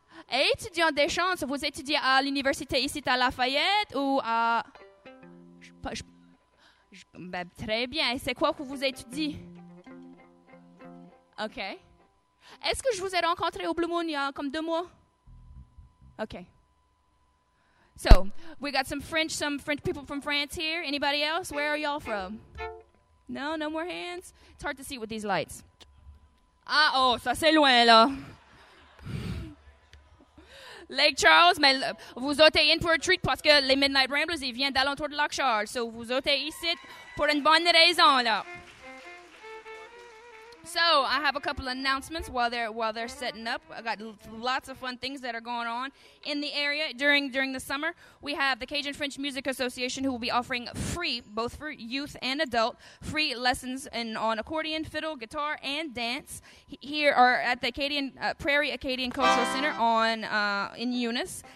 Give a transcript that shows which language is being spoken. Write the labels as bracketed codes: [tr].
[fr] Étudiant des chances, vous étudiez à l'université ici à Lafayette ou à... Ben, très bien. C'est quoi que vous étudiez? OK. Est-ce que je vous ai rencontré au Blue Moon il y a comme 2 mois? OK. [en] So, we got some French people from France here. Anybody else? Where are y'all from? No, no more hands? It's hard to see with these lights. [fr] Ah, oh, ça c'est loin, là. Lake Charles, mais vous êtes [en] in for a treat [fr] parce que les Midnight Ramblers, ils viennent d'alentour de Lake Charles. So, vous êtes ici pour une bonne raison, là. [en] So, I have a couple of announcements while they're setting up. I got lots of fun things that are going on in the area during the summer. We have the Cajun French Music Association who will be offering free, both for youth and adult, free lessons on accordion, fiddle, guitar, and dance here or at the Prairie Acadian Cultural Center in Eunice.